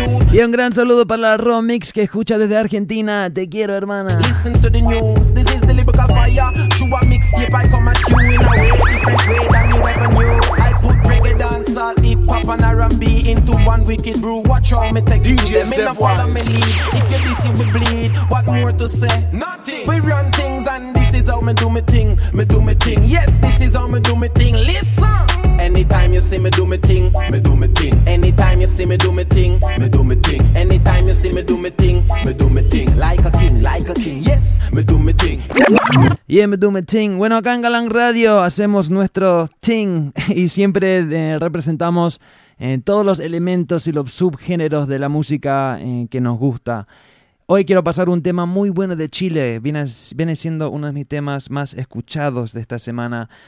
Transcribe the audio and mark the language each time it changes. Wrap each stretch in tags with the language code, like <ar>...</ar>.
<es>Y un gran saludo para la Romix que escucha desde Argentina. Te quiero, hermana.</es> <en>Listen to the news, this is the lyrical fire. True a mixtape, I come at you in a way different way than you ever knew. I put reggae dancehall, hip hop and R&B into one wicked brew. Watch how me take it, they may not follow me lead. If you're busy, we bleed. What more to say? Nothing. We run things and this is how me do me thing. Me do me thing, yes, this is how me do me thing. Listen. Anytime you see me do me thing, me do me thing. Anytime you see me do me thing, me do me thing. Anytime you see me thing, me do me thing. Like a king, yes, me do me thing. Yeah, me do me thing.</en> <es>Bueno, acá en Galán Radio hacemos nuestro thing y siempre representamos todos los elementos y los subgéneros de la música que nos gusta. Hoy quiero pasar un tema muy bueno de Chile. Viene siendo uno de mis temas más escuchados de esta semana.</es>